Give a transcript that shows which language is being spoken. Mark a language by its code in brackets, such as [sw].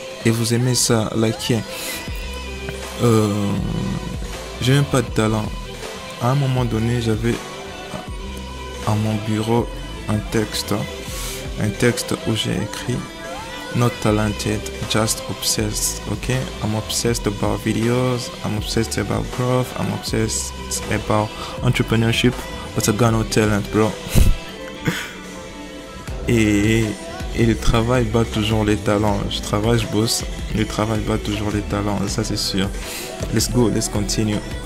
[fr] Et vous aimez ça, likez. J'ai même pas de talent. À un moment donné, j'avais à mon bureau un texte où j'ai écrit [en] Not talented, just obsessed. Ok, I'm obsessed about videos, I'm obsessed about growth, I'm obsessed about entrepreneurship, but I got no talent, bro. [fr] Et le travail bat toujours les talents. Je travaille, je bosse, le travail bat toujours les talents, ça c'est sûr. [en] Let's go, let's continue.